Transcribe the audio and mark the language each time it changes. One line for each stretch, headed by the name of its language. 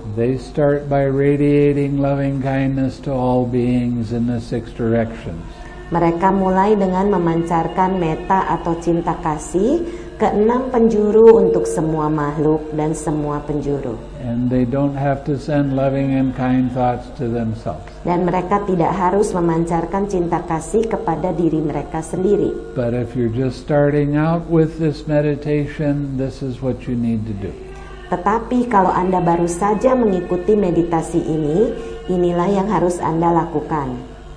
English: They start by radiating loving kindness to all beings in the six directions.
Indonesian: Mereka mulai dengan memancarkan metta atau cinta kasih ke 6 penjuru untuk semua makhluk dan semua penjuru.
English: And they don't have to send loving and kind thoughts to themselves.
Indonesian: Dan mereka tidak harus memancarkan cinta kasih kepada diri mereka sendiri.
English: But if you're just starting out with this meditation, this is what you need to do.
Indonesian: Tetapi kalau Anda baru saja mengikuti meditasi ini, inilah yang harus Anda lakukan.